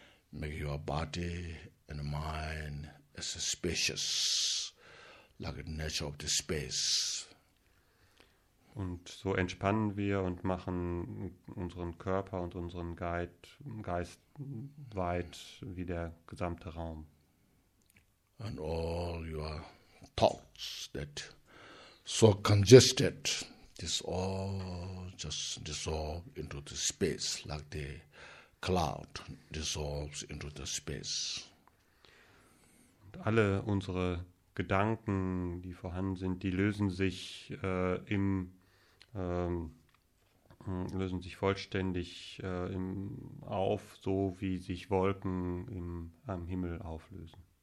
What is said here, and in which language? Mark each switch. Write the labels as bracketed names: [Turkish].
[English] Make your body and mind as spacious, like the nature of the space. [German] Und so entspannen wir und machen unseren Körper und unseren Geist weit wie der gesamte Raum. [English] And all your thoughts that so congested, this all just dissolve into the space, like the cloud dissolves into the space. [German] Und alle unsere Gedanken, die vorhanden sind, die lösen sich auf, so wie sich Wolken am Himmel auflösen.